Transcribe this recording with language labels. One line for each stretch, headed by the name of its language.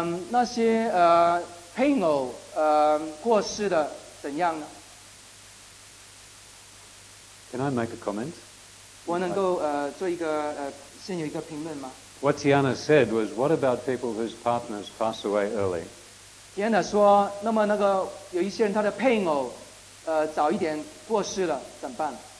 Chinese: 那些配偶过世的怎样呢？
English: Can I make a comment?
Chinese: 我能够先有一个评论吗？
English: What Tiana said was, what about people whose partners pass away early?
Chinese: Tiana 说，那么那个有一些人他的配偶早一点过世了，怎么办？